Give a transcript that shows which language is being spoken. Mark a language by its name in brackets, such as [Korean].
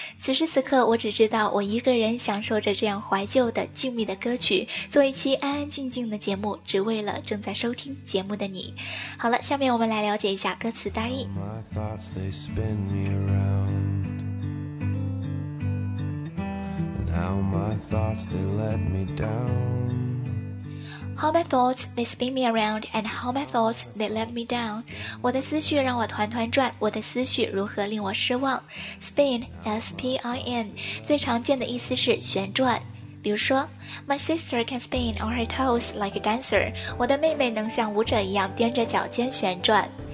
[Chinese] 此时此刻我只知道我一个人享受着这样怀旧的静谧的歌曲，做一期安安静静的节目，只为了正在收听节目的你。好了，下面我们来了解一下歌词大意。 [English] My thoughts they spin me around, and how my thoughts they let me down. How my thoughts, they spin me around, and how my thoughts, they let me down. [Chinese] 我的思绪让我团团转，我的思绪如何令我失望。 Spin, S-P-I-N, 最常见的意思是旋转。比如说 [English] My sister can spin on her toes like a dancer. [Chinese] 我的妹妹能像舞者一样踮着脚尖旋转。